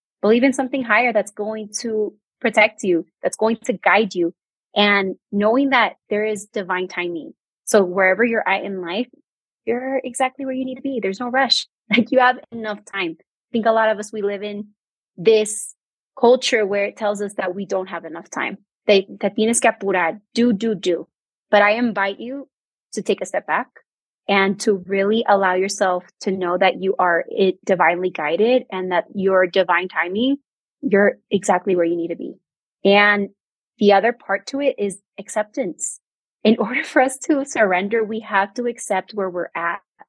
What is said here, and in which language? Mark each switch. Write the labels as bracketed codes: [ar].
[en] Believe in something higher that's going to protect you, that's going to guide you, and knowing that there is divine timing. So wherever you're at in life, you're exactly where you need to be. There's no rush. Like, you have enough time. I think a lot of us, we live in this culture where it tells us that we don't have enough time. [es] That tienes que apurar, do. [en] But I invite you to take a step back and to really allow yourself to know that you are divinely guided and that your divine timing, you're exactly where you need to be. And the other part to it is acceptance. In order for us to surrender, we have to accept where we're at.